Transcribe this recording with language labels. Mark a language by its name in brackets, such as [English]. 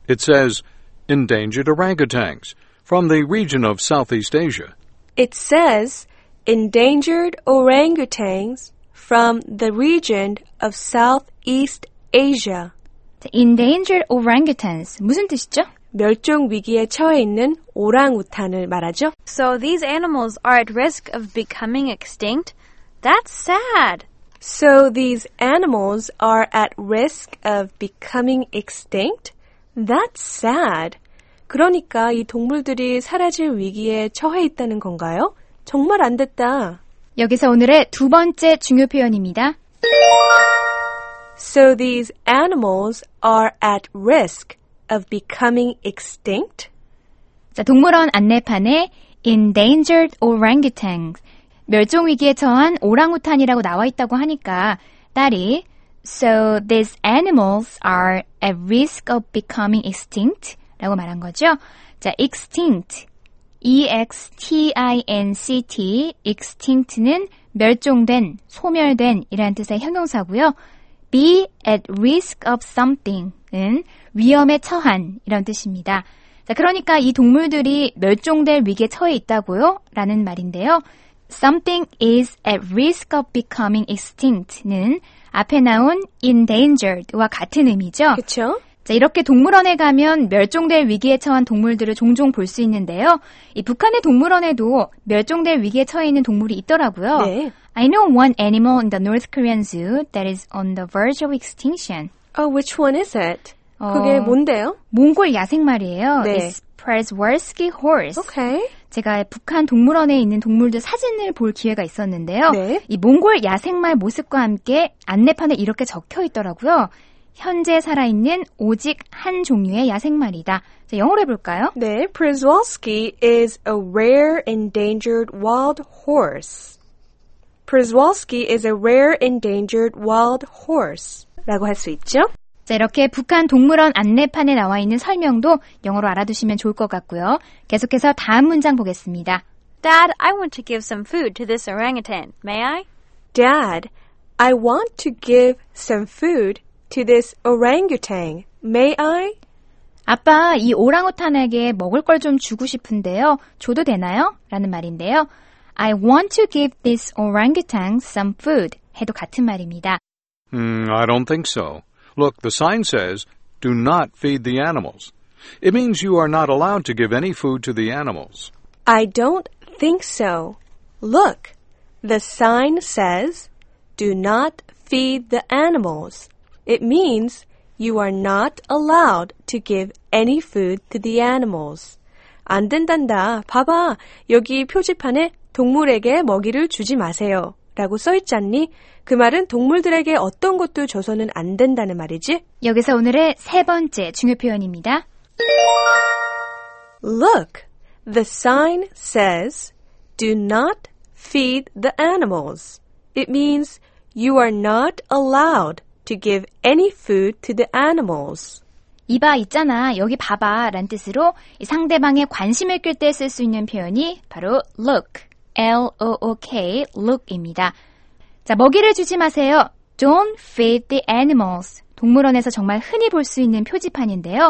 [English] It says, endangered orangutans from the region of Southeast Asia. It says, endangered orangutans from the region of Southeast Asia. [Korean] 자, endangered orangutans, 무슨 뜻이죠? 멸종 위기에 처해 있는 오랑우탄을 말하죠. [English] So these animals are at risk of becoming extinct? That's sad. So these animals are at risk of becoming extinct? That's sad. [Korean] 그러니까 이 동물들이 사라질 위기에 처해 있다는 건가요? 정말 안 됐다. 여기서 오늘의 두 번째 중요 표현입니다. [English] So these animals are at risk of becoming extinct? [Korean] 자, 동물원 안내판에 endangered orangutans, 멸종위기에 처한 오랑우탄이라고 나와 있다고 하니까 딸이 [English] So these animals are at risk of becoming extinct? [Korean] 라고 말한 거죠. 자, extinct, E-X-T-I-N-C-T, extinct는 멸종된, 소멸된 이라는 뜻의 형용사고요. [English] Be at risk of something [Korean] 은 위험에 처한 이런 뜻입니다. 자, 그러니까 이 동물들이 멸종될 위기에 처해 있다고요? 라는 말인데요. [English] Something is at risk of becoming extinct [Korean] 는 앞에 나온 endangered와 같은 의미죠. 그렇죠. 자, 이렇게 동물원에 가면 멸종될 위기에 처한 동물들을 종종 볼 수 있는데요. 이 북한의 동물원에도 멸종될 위기에 처해 있는 동물이 있더라고요. 네. [English] I know one animal in the North Korean zoo that is on the verge of extinction. Oh, which one is it? [Korean] 그게 뭔데요? 몽골 야생마리예요. 네. [English] It's Przeworski horse. Okay. [Korean] 제가 북한 동물원에 있는 동물들 사진을 볼 기회가 있었는데요. 네. 이 몽골 야생말 모습과 함께 안내판에 이렇게 적혀 있더라고요. 현재 살아있는 오직 한 종류의 야생말이다. 자, 영어로 해볼까요? 네, [English] Przeworski is a rare endangered wild horse. Przeworski is a rare endangered wild horse. [Korean] 라고 할 수 있죠? 자, 이렇게 북한 동물원 안내판에 나와 있는 설명도 영어로 알아두시면 좋을 것 같고요. 계속해서 다음 문장 보겠습니다. [English] Dad, I want to give some food to this orangutan. May I? Dad, I want to give some food to this orangutan. May I? [Korean] 아빠, 이 오랑우탄에게 먹을 걸 좀 주고 싶은데요. 줘도 되나요? 라는 말인데요. [English] I want to give this orangutan some food. [Korean] 해도 같은 말입니다. [English] I don't think so. Look, the sign says, do not feed the animals. It means you are not allowed to give any food to the animals. I don't think so. Look, the sign says, do not feed the animals. It means you are not allowed to give any food to the animals. [Korean] 안 된단다. 봐봐, 여기 표지판에 동물에게 먹이를 주지 마세요. 라고 써 있지 않니? 그 말은 동물들에게 어떤 것도 줘서는 안 된다는 말이지? 여기서 오늘의 세 번째 중요 표현입니다. [English] Look, the sign says, do not feed the animals. It means you are not allowed to give any food to the animals. [Korean] 이봐, 있잖아, 여기 봐봐, 라는 뜻으로 상대방의 관심을 끌 때 쓸 수 있는 표현이 바로 look. L-O-O-K, look입니다. 자, 먹이를 주지 마세요. [English] Don't feed the animals. [Korean] 동물원에서 정말 흔히 볼 수 있는 표지판인데요.